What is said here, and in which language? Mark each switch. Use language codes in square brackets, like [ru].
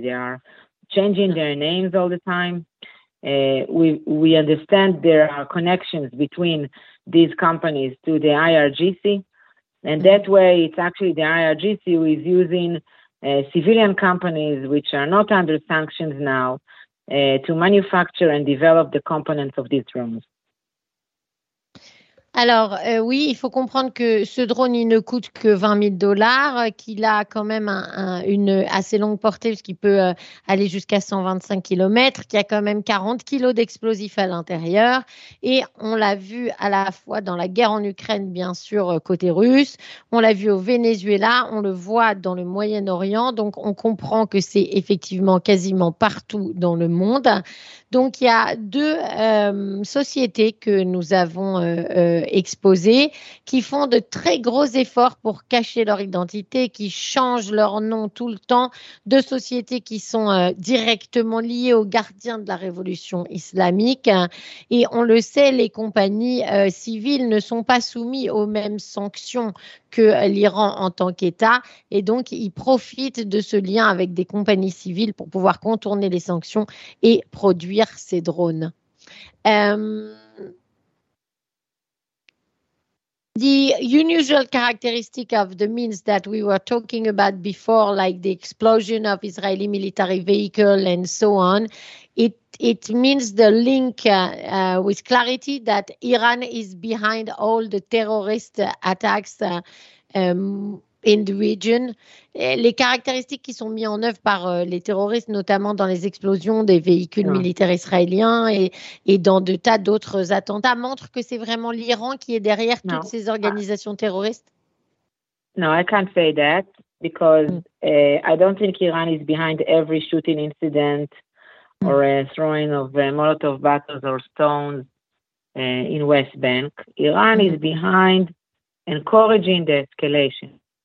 [en] They are changing their names all the time. We understand there are connections between these companies to the IRGC. And that way it's actually the IRGC who is using civilian companies, which are not under sanctions now, to manufacture and develop the components of these drones. [fr] Alors, oui, il faut comprendre que ce drone, il ne coûte que 20 000 dollars, qu'il a quand même une assez longue portée, puisqu'il peut aller jusqu'à 125 kilomètres, qu'il y a quand même 40 kilos d'explosifs à l'intérieur. Et on l'a vu à la fois dans la guerre en Ukraine, bien sûr, côté russe. On l'a vu au Venezuela. On le voit dans le Moyen-Orient. Donc, on comprend que c'est effectivement quasiment partout dans le monde. Donc, il y a deux sociétés que nous avons exposées qui font de très gros efforts pour cacher leur identité, qui changent leur nom tout le temps. Deux sociétés qui sont directement liées aux gardiens de la révolution islamique. Et on le sait, les compagnies civiles ne sont pas soumises aux mêmes sanctions que l'Iran en tant qu'État. Et donc, ils profitent de ce lien avec des compagnies civiles pour pouvoir contourner les sanctions et produire ces drones. [en] The unusual characteristic of the means that we were talking about before, like the explosion of Israeli military vehicle and so on, it means the link with clarity that Iran is behind all the terrorist attacks in the region. [fr] Les caractéristiques qui sont mises en œuvre par les terroristes, notamment dans les explosions des véhicules militaires israéliens et dans de tas d'autres attentats, montrent que c'est vraiment l'Iran qui est derrière toutes ces organisations terroristes. [en] No, I can't say that because I don't think Iran is behind every shooting incident or a throwing of Molotov bottles or stones in West Bank. Iran is behind encouraging the escalation.